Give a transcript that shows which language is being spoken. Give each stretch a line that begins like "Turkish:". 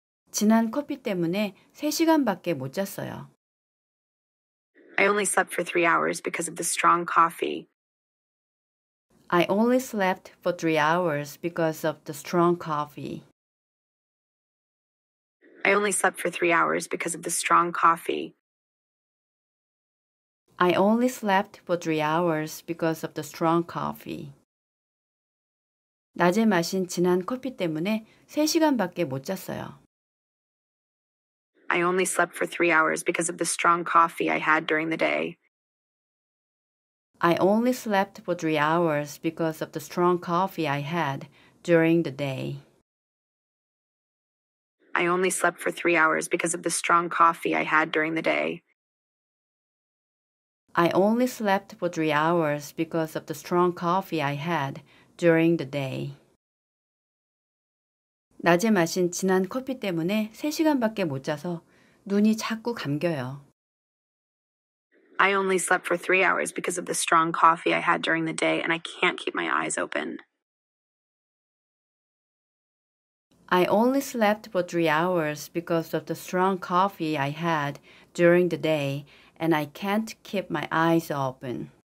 Korean: 진한 커피 때문에 3시간밖에 못 잤어요.
English: I only slept for three hours because of the strong coffee. I only slept for 3 hours because of the strong coffee. I only slept for 3 hours because of the strong coffee.
Korean: 낮에 마신 진한 커피 때문에 3시간밖에 못 잤어요.
English: I only slept for 3 hours because of the strong coffee I had during the day. I only slept for 3 hours because of the strong coffee I had during the day. I only slept for 3 hours because of the strong coffee I had during the day. I only slept for 3 hours because of the strong coffee I had during the day.
Korean: 낮에 마신 진한 커피 때문에 3시간밖에 못 자서 눈이 자꾸 감겨요.
English: I only slept for 3 hours because of the strong coffee I had during the day and I can't keep my eyes open. I only slept for 3 hours because of the strong coffee I had during the day and I can't keep my eyes open.